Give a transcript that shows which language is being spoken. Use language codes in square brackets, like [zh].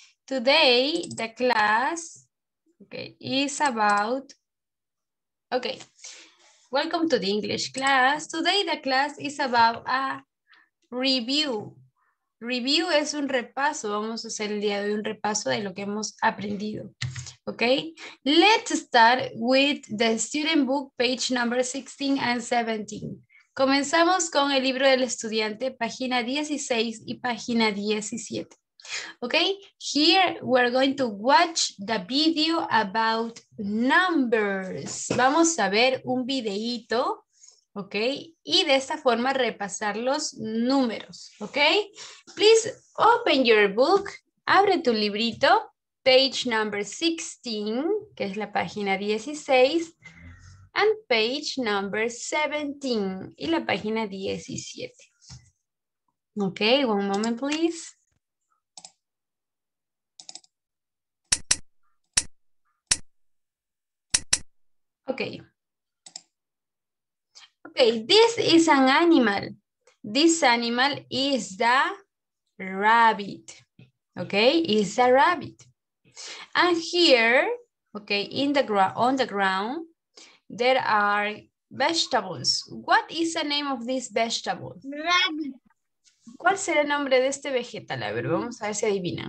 [en] Today, the class, okay, is about, okay, welcome to the English class. Today, the class is about a review. [es] Review es un repaso, vamos a hacer el día de hoy un repaso de lo que hemos aprendido, okay? [en] Let's start with the student book, page number 16 and 17. [es] Comenzamos con el libro del estudiante, página 16 y página 17. [en] Okay, here we're going to watch the video about numbers. [es] Vamos a ver un videíto, okay, y de esta forma repasar los números, okay? [en] Please open your book, [es] abre tu librito, [en] page number 16, [es] que es la página 16, [en] and page number 17 [es] y la página 17. [en] Okay, one moment please. Okay. Okay, this is an animal. This animal is the rabbit. Okay, is a rabbit. And here, okay, in the on the ground, there are vegetables. What is the name of this vegetable? Rabbit. [es] ¿Cuál será el nombre de este vegetal? A ver, vamos a ver si adivina.